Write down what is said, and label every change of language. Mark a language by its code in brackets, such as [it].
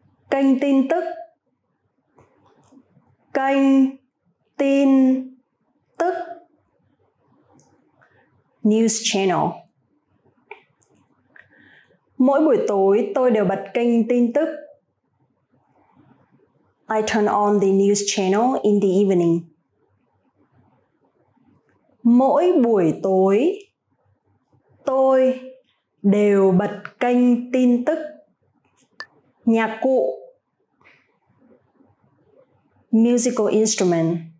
[vi] Kênh tin tức. kênh tin tức. [en] News channel. [vi] Mỗi buổi tối tôi đều bật kênh tin tức. [en] I turn on the news channel in the evening. [vi] Mỗi buổi tối tôi đều bật kênh tin tức. Nhạc cụ. [en] Musical instrument.